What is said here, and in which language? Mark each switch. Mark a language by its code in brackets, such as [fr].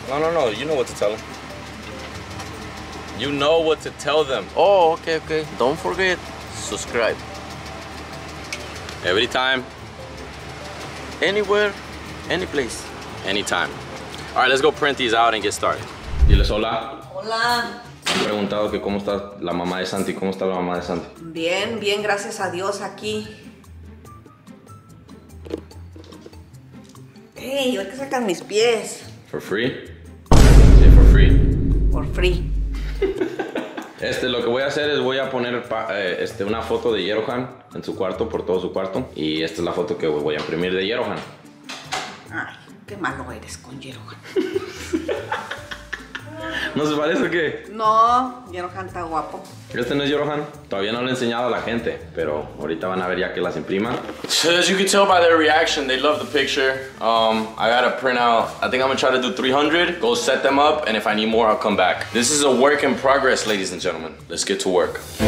[en] No. You know what to tell him. You know what to tell them. Oh, okay. Don't forget, subscribe. Every time. Anywhere. Any place. Anytime. All right, let's go print these out and get started. [es] Diles hola. Hola. Me he preguntado que cómo está la mamá de Santi. ¿Cómo está la mamá de Santi? Bien, bien, gracias a Dios, aquí. Hey, ¿por qué sacan mis pies? [en] For free? free. For free. [es] Este, lo que voy a hacer es voy a poner una foto de Jerohan en su cuarto, por todo su cuarto. Y esta es la foto que voy a imprimir de Jerohan. Ay, qué malo eres con Jerohan. ¿No se parece o qué? No, Jerohan está guapo. ¿Este no es Jerohan? Todavía no lo he enseñado a la gente, pero ahorita van a ver ya que las imprima. [en] So as you can tell by their reaction, they love the picture. I got a printout. I think I'm gonna try to do 300, go set them up, and if I need more, I'll come back. This is a work in progress, ladies and gentlemen. Let's get to work.